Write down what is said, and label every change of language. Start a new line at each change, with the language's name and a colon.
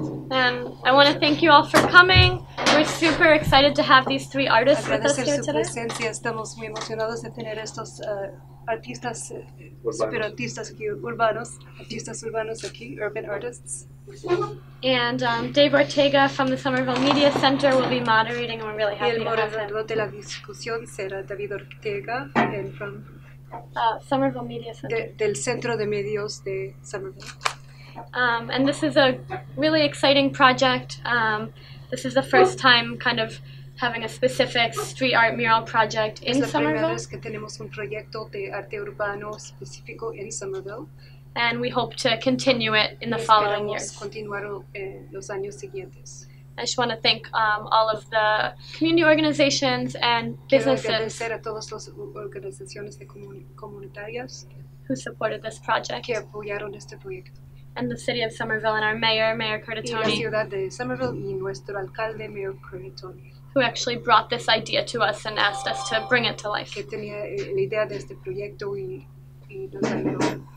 English: And I want to thank you all for coming. We're super excited to have these three artists with us here today.
Spanish: Agradecer su presencia. Estamos muy emocionados de tener estos artistas, superartistas aquí, urbanos, artistas urbanos aquí,
English: urban artists. And Dave Ortega from the Somerville Media Center will be moderating, and we're really happy to have him.
Spanish: Y el moderador de la discusión será David Ortega,
English: and from Somerville Media Center.
Spanish: Del Centro de Medios de Somerville.
English: And this is a really exciting project. This is the first time kind of having a specific street art mural project in Somerville.
Spanish: Es la primera vez que tenemos un proyecto de arte urbano específico en Somerville.
English: And we hope to continue it in the following years.
Spanish: Esperamos continuar los años siguientes.
English: I just want to thank all of the community organizations and businesses.
Spanish: Quiero agradecer a todas las organizaciones comunitarias
English: who supported this project.
Spanish: Que apoyaron este proyecto.
English: And the city of Somerville and our mayor, Mayor Curtatone.
Spanish: Y la ciudad de Somerville y nuestro alcalde, Mayor Curtatone.
English: Who actually brought this idea to us and asked us to bring it to life.
Spanish: Que tenía la idea de este proyecto y nos ayudó.